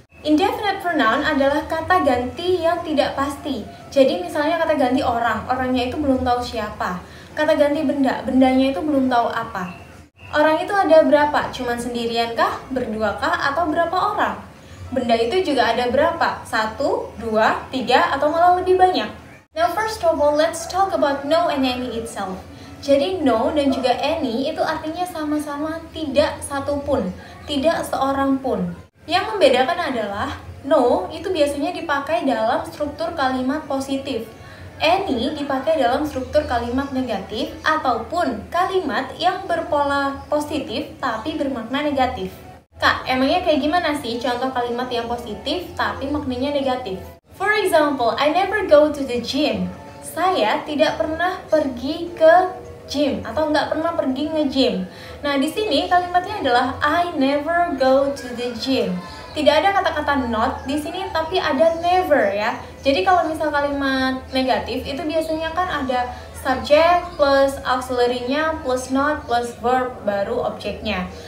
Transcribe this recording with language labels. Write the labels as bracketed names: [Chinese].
[Indonesian] Indefinite pronoun adalah kata ganti yang tidak pasti. Jadi misalnya kata ganti orang, orangnya itu belum tahu siapa. Kata ganti benda, bendanya itu belum tahu apa. Orang itu ada berapa? Cuman sendirian kah? Berdua kah? Atau berapa orang? Benda itu juga ada berapa? Satu, dua, tiga, atau malah lebih banyak? [English] Now first of all, let's talk about no and any itself. [Indonesian] Jadi no dan juga any itu artinya sama-sama tidak satu pun, tidak seorang pun. Yang membedakan adalah no itu biasanya dipakai dalam struktur kalimat positif. Any dipakai dalam struktur kalimat negatif ataupun kalimat yang berpola positif tapi bermakna negatif. Kak, emangnya kayak gimana sih contoh kalimat yang positif tapi maknanya negatif? [English] For example, I never go to the gym. [Indonesian] Saya tidak pernah pergi ke gym atau nggak pernah pergi nge-gym. Nah, di sini kalimatnya adalah [English] I never go to the gym. [Indonesian] Tidak ada kata-kata not di sini, tapi ada never ya. Jadi kalau misal kalimat negatif itu biasanya kan ada subject plus auxiliary-nya plus not plus verb baru objeknya.